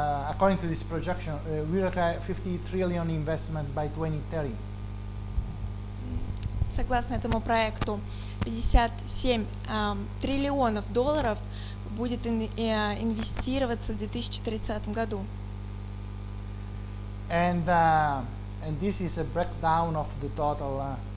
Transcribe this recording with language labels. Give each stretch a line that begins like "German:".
English: According to this projection, we require 50 trillion investment by 2030.
Russian: Согласно этому проекту, 57 триллионов долларов будет инвестироваться в 2030 году.
English: And this is a breakdown of the total.